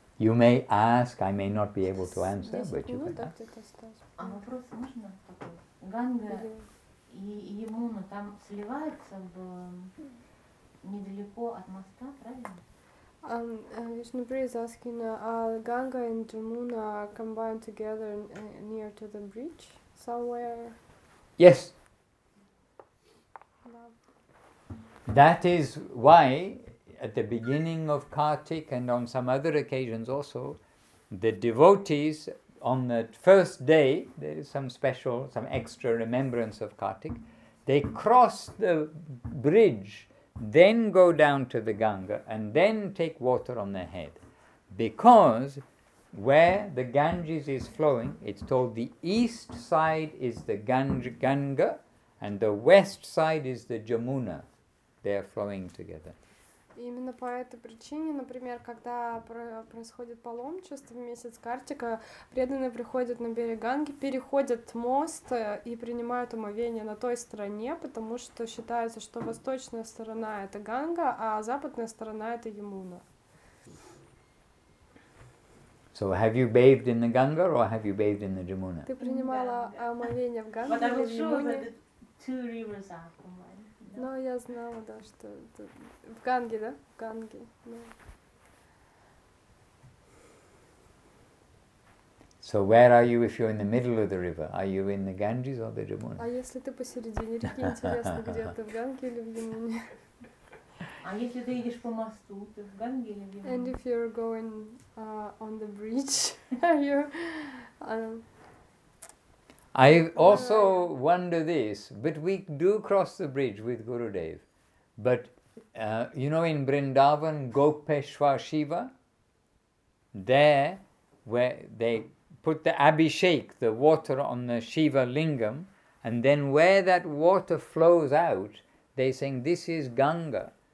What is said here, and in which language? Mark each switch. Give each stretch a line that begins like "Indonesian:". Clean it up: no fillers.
English: You may ask, I may not be able to answer, but you can ask.
Russian: А вопрос можно такой? Ганга и Ямуна там сливаются в недалеко от моста, правильно?
English: Вишнупри is asking, Ганга and Ямуна combined together near to the bridge somewhere? Yes. That is why, at the beginning of Kartik and on some other occasions also, the devotees, on the first day, there is some special, some extra remembrance of Kartik, they cross the bridge, then go down to the Ganga, and then take water on their head. Because where the Ganges is flowing, it's told the east side is the Ganga, and the west side is the Jamuna. They are flowing together.
Russian: Именно по этой причине, например, когда происходит паломничество в месяц Картика, преданные приходят на берег Ганги, переходят мост и принимают омовение на той стороне, потому что считается, что восточная сторона — это Ганга, а западная сторона — это Ямуна.
English: So have you bathed in the Ganga or have you bathed in the Jamuna?
Russian: Ты принимала омовение в Ганге или в Ямуне? Но я знала, да, что это в Ганге, да? В Ганге. Да.
English: So where are you if you're in the middle of the river? Are you in the Ganges or the Jamuna?
Russian: А если ты посередине реки, интересно, где ты, в Ганге или в Ямуне? А если ты едешь по мосту, ты в Ганге или в Ямуне?
English: And if you're going on the bridge, are you? I also wonder this, but we do cross the bridge with Gurudev. But you know, in Vrindavan, Gopeshwar Shiva, there where they put the abhishek, the water on the Shiva Lingam, and then where that water flows out, they're saying this is Ganga.